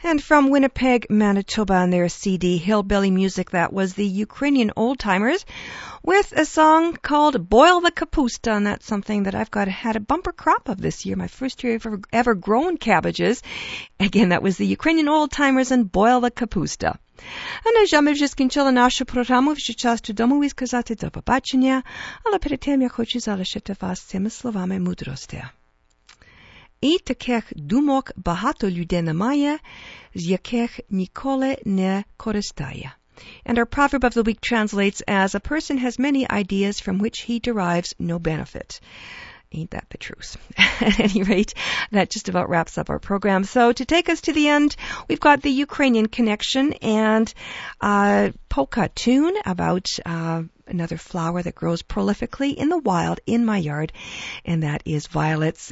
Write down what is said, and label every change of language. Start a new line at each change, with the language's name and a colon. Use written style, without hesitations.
English: Winnipeg, Manitoba, and their CD Hillbilly Music, that was the Ukrainian Old Timers, with a song called Boil the Kapusta, and that's something that I've had a bumper crop of this year, my first year ever grown cabbages. Again, that was the Ukrainian Old Timers and Boil the Kapusta.
Ukrainian: А на жаль, ми вже скінчили нашу програму, вже час додому і сказати до побачення, але перед тим я хочу залишити вас цими словами мудрості. І таких думок багато людей немає, з яких ніколи не користає.
English: And our proverb of the week translates as, a person has many ideas from which he derives no benefit. Ain't that the truth? At any rate, that just about wraps up our program. So to take us to the end, we've got the Ukrainian connection and a polka tune about another flower that grows prolifically in the wild in my yard, and that is violets.